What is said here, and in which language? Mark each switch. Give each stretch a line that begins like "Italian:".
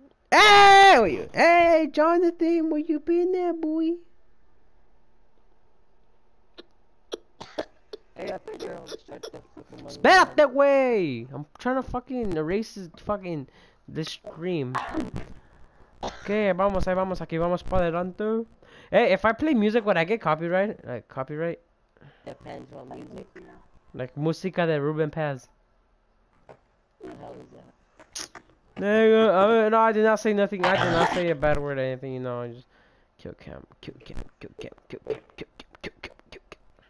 English: Hey! Hey, Jonathan, where you been there, boy? Hey, I think you're on the stretch. Spell it that way! I'm trying to fucking erase this fucking this stream.
Spanish: Okay, vamos, ahí vamos, aquí vamos para adelante.
English: Hey, if I play music, would I get copyright? Like, copyright? Depends on music.
Spanish: Like música de Ruben Paz.
English: What the hell is that? No, I did not say nothing. I did not say a bad word or anything, you know. I just kill cam, kill cam, kill cam, kill cam, kill cam, kill cam.